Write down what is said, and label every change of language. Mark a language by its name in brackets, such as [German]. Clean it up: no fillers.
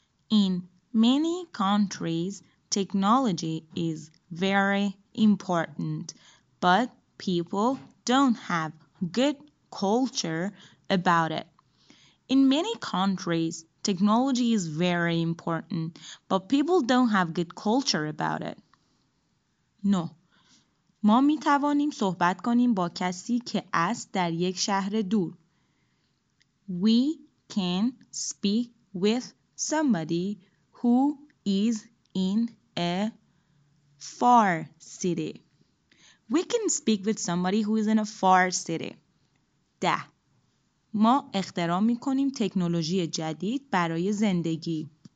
[English] In many countries, technology is very important, but people don't have good culture about it. In many countries, technology is very important, but people don't have good culture about it. No. [Persian] ما می توانیم صحبت کنیم با کسی که است در یک شهر دور. [English] We can speak with somebody who is in a far city. We can speak with somebody who is in a far city. 10. [Persian] ما اختراع می کنیم تکنولوژی جدید برای زندگی.